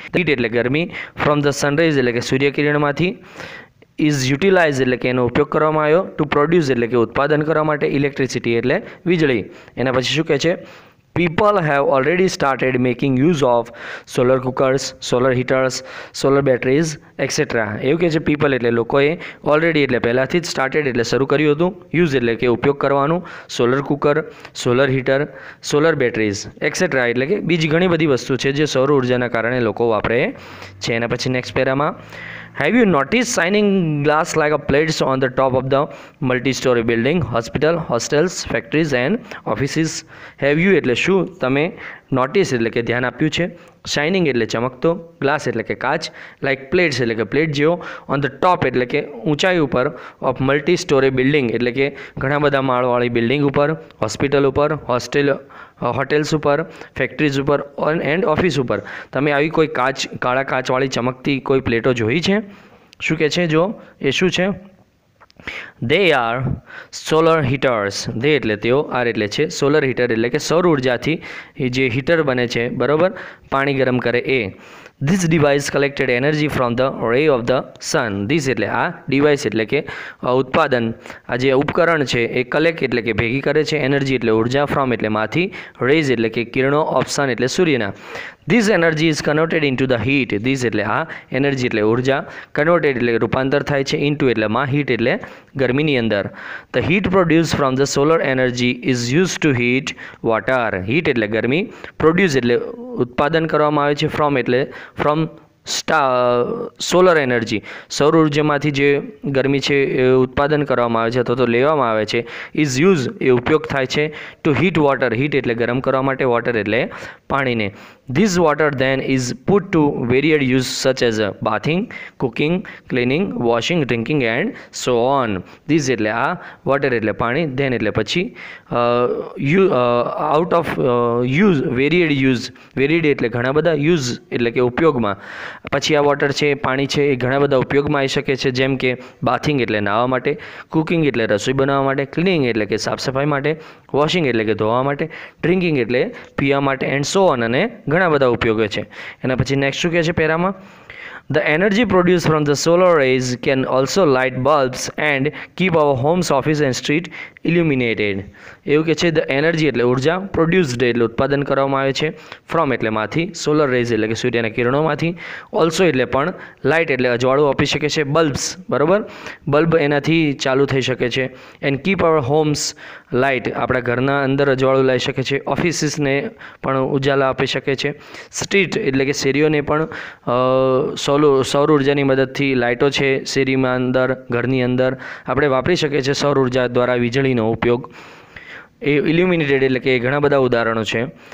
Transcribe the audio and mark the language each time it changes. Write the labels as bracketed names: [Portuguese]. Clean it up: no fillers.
[Gujarati] The heat એટલે ગરમી from the sun rays એટલે કે સૂર્યકિરણમાંથી is utilized એટલે કે એનો ઉપયોગ કરવામાં આવ્યો to produce એટલે કે ઉત્પાદન કરવા માટે electricity એટલે વીજળી એના પછી શું કહે છે [English] People have already started making use of solar cookers, solar heaters, solar batteries, etc. [Gujarati] એવું કે છે people એટલે લોકોએ already એટલે પહેલાંથી જ started એટલે શરૂ કર્યું હતું use એટલે કે ઉપયોગ કરવાનું solar cooker, solar heater, solar batteries, etc. એટલે કે બીજી ઘણી બધી વસ્તુ છે જે સૌર ઉર્જાના કારણે લોકો વાપરે છે એના પછી next પેરામાં [English] Have you noticed shining glass like a plates on the top of the multi-story building, hospital, hostels, factories and offices? [Gujarati] Have you એટલે શું તમે નોટિસ એટલે કે ધ્યાન આપ્યું છે, શાઇનિંગ એટલે ચમકતો, ગ્લાસ એટલે કે કાચ, લાઇક પ્લેટ્સ એટલે કે પ્લેટ જેવો, ઓન ધ ટોપ એટલે કે ઊંચાઈ ઉપર, ઓફ મલ્ટી સ્ટોરી બિલ્ડિંગ એટલે કે ઘણા બધા માળવાળી બિલ્ડિંગ ઉપર, હોસ્પિટલ ઉપર, હોસ્ટેલ હોટેલ્સ ઉપર, ફેક્ટરીઝ ઉપર એન્ડ ઓફિસ ઉપર. તમે આવી કોઈ કાચ, કાળા કાચવાળી ચમકતી કોઈ પ્લેટો જોઈ છે? શું કહે છે જો, એ શું છે? [English] They are solar heaters. [Gujarati] They એટલે તેઓ, આર એટલે છે સોલર હીટર એટલે કે સૌર ઉર્જાથી જે હીટર બને છે, બરાબર, પાણી ગરમ કરે એ. [English] This device collected energy from the ray of the sun. [Gujarati] This એટલે આ ડિવાઇસ એટલે કે ઉત્પાદન, આ જે ઉપકરણ છે એ કલેક્ટ એટલે કે ભેગી કરે છે એનર્જી એટલે ઉર્જા, ફ્રોમ એટલે માંથી, રેઝ એટલે કે કિરણો, ઓફ સન એટલે સૂર્યના. [English] This energy is converted into the heat. [Gujarati] This એટલે આ એનર્જી એટલે ઉર્જા, converted એટલે રૂપાંતર થાય છે, into એટલે માં, heat એટલે ગરમીની અંદર. [English] The heat produced from the solar energy is used to heat water. [Gujarati] Heat એટલે ગરમી, produce એટલે ઉત્પાદન કરવામાં આવે છે, from એટલે from સોલર એનર્જી, સૌર ઉર્જામાંથી જે ગરમી છે એ ઉત્પાદન કરવામાં આવે છે અથવા તો લેવામાં આવે છે. ઇઝ યુઝ એ ઉપયોગ થાય છે, ટુ હીટ વોટર, હીટ એટલે ગરમ કરવા માટે, વોટર એટલે પાણીને. [English] This water then is put to varied use such as bathing, cooking, cleaning, washing, drinking and so on. [Gujarati] This એટલે આ વોટર એટલે પાણી, ધેન એટલે પછી, you out of use, વેરિયડ use, વેરિયડ એટલે ઘણા બધા, યુઝ એટલે કે ઉપયોગમાં, પછી આ વોટર છે, પાણી છે એ ઘણા બધા ઉપયોગમાં આવી શકે છે, જેમ કે બાથિંગ એટલે નહાવા માટે, કુકિંગ એટલે રસોઈ બનાવવા માટે, ક્લિનિંગ એટલે કે સાફસફાઈ માટે, વોશિંગ એટલે કે ધોવા માટે, ડ્રિંકિંગ એટલે પીવા માટે એન્ડ સો ઓન, અને ઘણા બધા ઉપયોગો છે. એના પછી નેક્સ્ટ શું કહે છે પેરામાં? [English] The energy produced from the solar rays can also light bulbs and keep our homes, office and street illuminated. [Gujarati] એવું કે છે, the energy એટલે ઉર્જા, produced એટલે ઉત્પાદન કરવામાં આવે છે, from એટલે માંથી, solar rays એટલે કે સૂર્યના કિરણોમાંથી, also એટલે પણ, light એટલે અજવાળું આપી શકે છે, bulbs બરાબર, બલ્બ એનાથી ચાલુ થઈ શકે છે, and keep our homes light, આપણા ઘરના અંદર અજવાળું લાવી શકે છે, ઓફિસીસને પણ ઉજાલા આપી શકે છે, સ્ટ્રીટ એટલે કે શેરીઓને પણ સૌર ઉર્જાની મદદથી લાઇટો છે શેરીમાં અંદર, ઘરની અંદર આપણે વાપરી શકીએ છીએ સૌર ઉર્જા દ્વારા વીજળીનો ઉપયોગ, એ ઇલ્યુમિનેટેડ એટલે કે એ ઘણા બધા ઉદાહરણો છે.